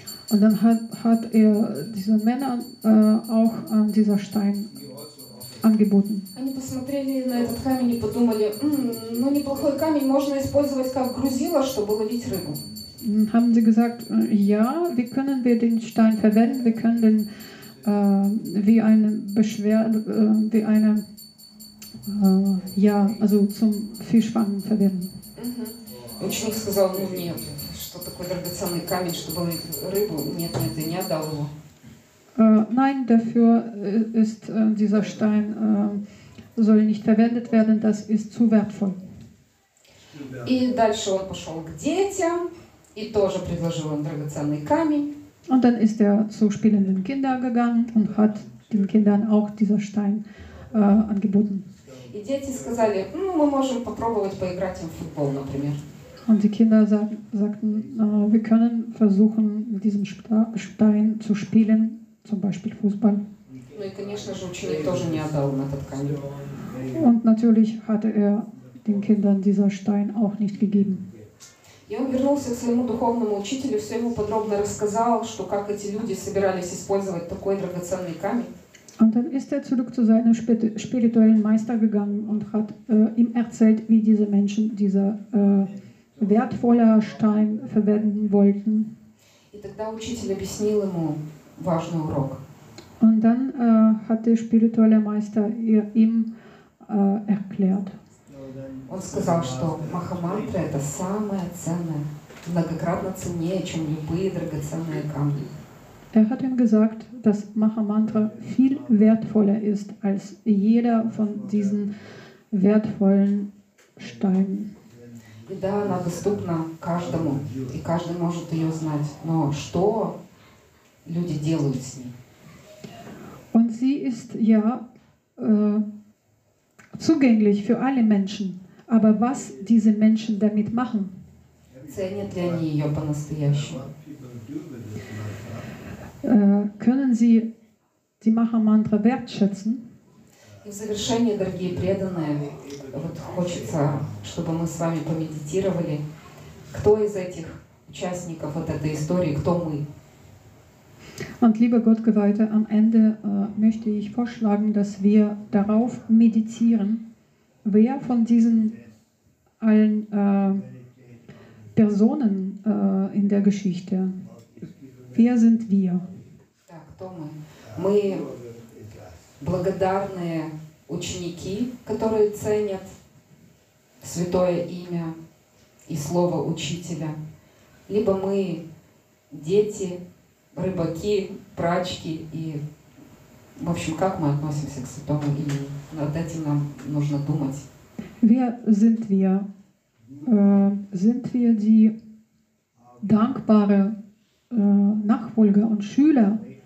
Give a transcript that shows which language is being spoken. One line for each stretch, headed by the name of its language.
German: Und dann hat er diesen Männern auch dieser Stein angeboten.
Russian: Они посмотрели на этот камень и подумали, ну неплохой камень, можно использовать как грузило, чтобы ловить рыбу.
German: Haben sie gesagt, ja, wie können wir den Stein verwenden? Wir können den wie eine, also zum Fischfangen verwenden.
Russian: Ученик сказал, ну нет, что такое драгоценный камень, чтобы рыбу, нет, нет, я не отдал его.
German: Nein, dafür ist dieser Stein soll nicht verwendet werden, das ist zu wertvoll.
Russian: И дальше он пошел к детям и тоже предложил им драгоценный камень.
German: Und dann ist er zu spielenden Kindern gegangen und hat den Kindern auch dieser Stein angeboten.
Russian: И дети сказали, ну, мы можем попробовать поиграть им в футбол, например.
German: Und die Kinder sagten, wir können versuchen, mit diesem Stein zu spielen, zum Beispiel Fußball.
Russian: Ну, и, конечно же, ученик тоже не отдал им этот камень.
German: Und natürlich hatte er den Kindern dieser Stein auch nicht gegeben.
Russian: И он вернулся к своему духовному учителю, все ему подробно рассказал, что как эти люди собирались использовать такой драгоценный камень.
German: Und dann ist er zurück zu seinem spirituellen Meister gegangen und hat ihm erzählt, wie diese Menschen dieser wertvolle Stein verwenden wollten.
Russian: И тогда учитель объяснил ему важный урок.
German: Und dann hat der spirituelle Meister ihm erklärt.
Russian: Он сказал, что Махамантра – это самое ценное, многократно ценнее, чем любые драгоценные камни.
German: Er hat ihm gesagt, dass Mahamantra viel wertvoller ist als jeder von diesen wertvollen Steinen.
Russian: И да, она доступна каждому, и каждый может ее знать. Но что люди делают с ней?
German: Und sie ist ja zugänglich für alle Menschen. Aber was diese Menschen damit machen?
Russian: Ценят ли они ее по-настоящему?
German: Können Sie die Mahamantra wertschätzen?
Russian: И в завершение, дорогие преданные, вот хочется, чтобы мы с вами помедитировали, кто из этих участников вот этой истории, кто мы?
German: Und liebe Gottgeweihte, am Ende möchte ich vorschlagen, dass wir darauf meditieren, wer von diesen allen Personen in der Geschichte, wer sind wir?
Russian: Кто мы? Мы благодарные ученики, которые ценят святое имя и слово учителя. Либо мы дети, рыбаки, прачки и, в общем, как мы относимся к святому имени? Над этим нам нужно думать.
German: Wer sind wir? Sind wir die dankbare Nachfolger und Schüler?